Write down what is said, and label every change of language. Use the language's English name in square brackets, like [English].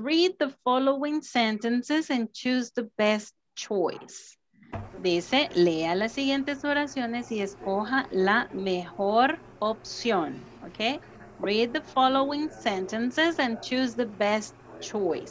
[English] Read the following sentences and choose the best choice. [Spanish] Dice, lea las siguientes oraciones y escoja la mejor opción, ¿ok? [English] Read the following sentences and choose the best choice.